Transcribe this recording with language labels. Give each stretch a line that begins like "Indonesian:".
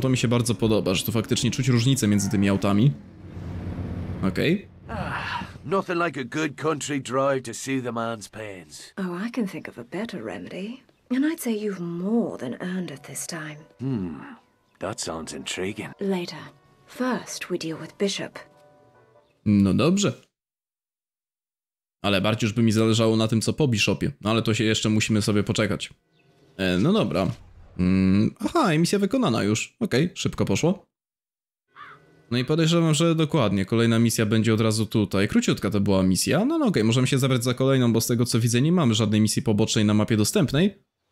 Polish: To mi się bardzo podoba, że to faktycznie czuć różnicę między tymi autami. Okej.
English: Nothing like a good country drive to soothe a man's pains. Oh, I can think of a better remedy. And I'd say you've more than earned it this time. That sounds intriguing. Later. First we deal with Bishop.
Polish: No dobrze. Ale bardziej już by mi zależało na tym, co po Bishopie. No ale to się jeszcze musimy sobie poczekać. No dobra. Aha, misja wykonana już. Okej, okay, szybko poszło. No i podejrzewam, że dokładnie. Kolejna misja będzie od razu tutaj. Króciutka to była misja. No, no okej, okay, możemy się zabrać za kolejną, bo z tego co widzę nie mamy żadnej misji pobocznej na mapie dostępnej.